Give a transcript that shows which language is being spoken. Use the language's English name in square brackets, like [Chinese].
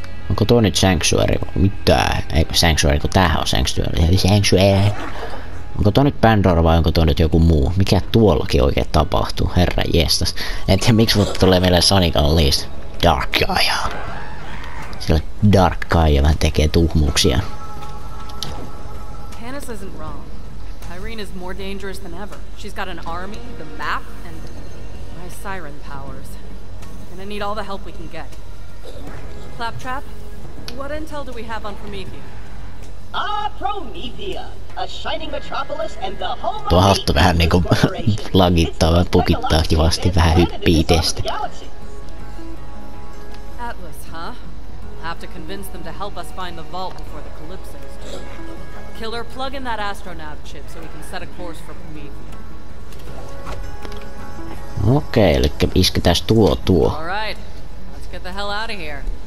[Finnish] Onko tuo nyt sanctuary? Mitä? Ei sanctuary, kun tämähän on sanctuary. Sanctuary. Onko tuo nyt Pandora vai onko tuo nyt joku muu? Mikä tuollakin oikein tapahtuu? Herra jestas. En tiedä miksi mutta tulee mieleen Sonic Unleashed. Dark Gaia. Sillä Dark Gaia vähän tekee tuhmuuksia. [English] Panis isn't wrong. Irene is more dangerous than ever. She's got an army, the map, and my siren powers. And I need all the help we can get. Claptrap, what intel do we have on Promethea? Ah, Promethea, a shining metropolis and the home of... [Finnish] Tuo hattu vähän niinku lagittaa, vähän pukittaa kivasti, vähän hyppii itestä. [English] Atlas, huh? We'll have to convince them to help us find the vault before the Calypso is due. Killer, plug in that astronav chip so we can set a course for Promethea. [Finnish] Okei, elikkä isketäs tuo. [English] All right, let's get the hell out of here.